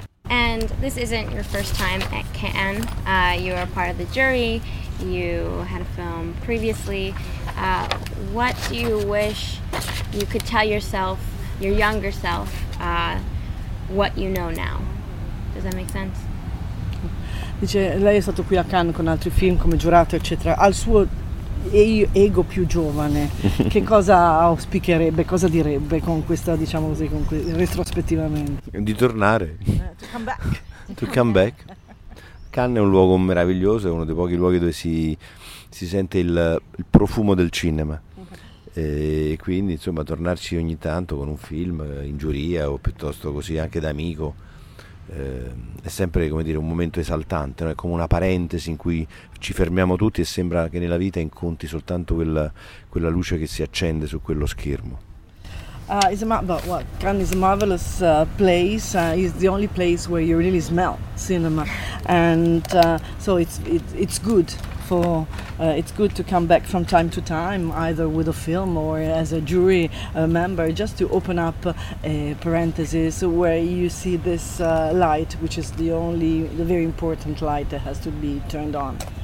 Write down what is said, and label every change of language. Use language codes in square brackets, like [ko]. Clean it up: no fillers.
[en] And this isn't your first time at Cannes. You are part of the jury. You had a film previously. What do you wish you could tell yourself, your younger self, what you know now? Does that make sense? [it] Dice, lei è stato qui a Cannes con altri film come giurato, eccetera. Al suo ego più giovane, che cosa auspicherebbe, cosa direbbe con questa, diciamo così, con retrospettivamente? Di tornare. [en] To come back. [it] Cannes è un luogo meraviglioso, è uno dei pochi luoghi dove si sente il profumo del cinema. E quindi, insomma, tornarci ogni tanto con un film in giuria o piuttosto così anche da amico è sempre, come dire, un momento esaltante, no? È come una parentesi in cui ci fermiamo tutti e sembra che nella vita incontri soltanto quella luce che si accende su quello schermo. [en] Cannes is a marvelous place. It's the only place where you really smell cinema, and so it's good. It's good to come back from time to time, either with a film or as a jury member, just to open up a parenthesis where you see this light, which is the very important light that has to be turned on.